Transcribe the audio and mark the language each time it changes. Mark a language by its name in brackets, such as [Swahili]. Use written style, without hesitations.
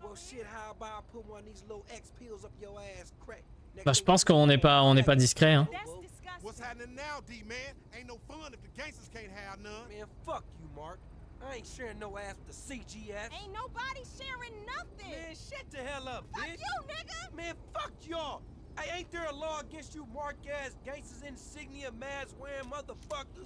[English] Well, shit, how about I put one of these little X pills up your ass crack? [French] Bah, je pense qu'on n'est pas, on n'est pas discret, hein. [English] What's happening now, D-Man? Ain't no fun if the gangsters can't have none. Man, fuck you, Mark. I ain't sharing no ass with the CGS. Ain't nobody sharing nothing. Man, shut the hell up, fuck bitch. Fuck you, nigga. Man, fuck y'all. Hey, ain't there a law against you, Mark-ass, gangsters, insignia, mask-wearing motherfuckers?